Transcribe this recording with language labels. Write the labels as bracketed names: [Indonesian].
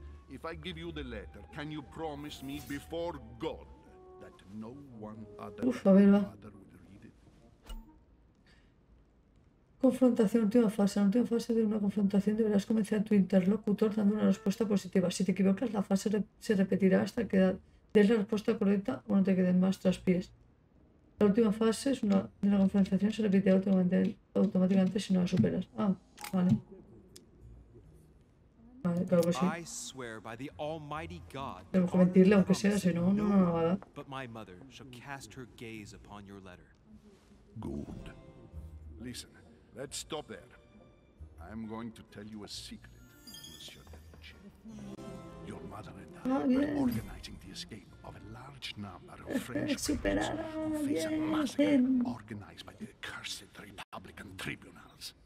[English] If I give you the letter, can you promise me before God that no one other will read it? [Spanish] Confrontación, última fase. La última fase de una confrontación deberás convencer a tu interlocutor dando una respuesta positiva. Si te equivocas, la fase se repetirá hasta que des la respuesta correcta o no te queden más traspiés. La última fase es una, de una confrontación se repite automáticamente si no la superas. Ah, vale. Claro que sí. [English] I swear by the Almighty God. [Spanish] Tengo que mentirle, aunque sea, si no, no, no, nada. [English] But my mother shall cast her gaze upon your letter. Good. Listen, let's stop there. I'm going to tell you a secret, Monsieur de Richet. Your mother and I are organizing the escape of a large number of French prisoners face a massacre organized by the accursed Republican tribunals.